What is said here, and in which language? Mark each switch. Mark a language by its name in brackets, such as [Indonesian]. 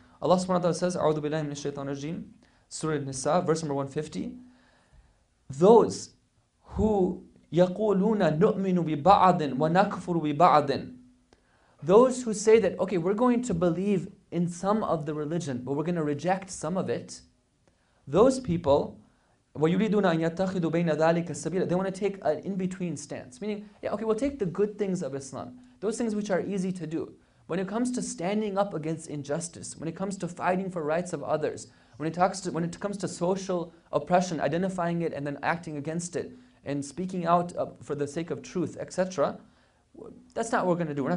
[English] Allah subhanahu wa ta'ala says, [Arabic] A'udhu billahi minash shaitan rajim, [English] Surah An-Nisa, verse number 150. Those who [Arabic] yaquluna nu'minu bi ba'adin wa nakfuru bi ba'adin. [English] Those who say that, okay, we're going to believe in some of the religion, but we're going to reject some of it. Those people, [Arabic] وَيُرِيدُونَ أَن يَتَّخِذُوا بَيْنَ ذَلِكَ السَّبِيلَ. [English] They want to take an in-between stance. Meaning, yeah, okay, we'll take the good things of Islam. Those things which are easy to do. When it comes to standing up against injustice, when it comes to fighting for rights of others, when it comes to social oppression, identifying it and then acting against it, and speaking out for the sake of truth, etc., that's not what we're going to do.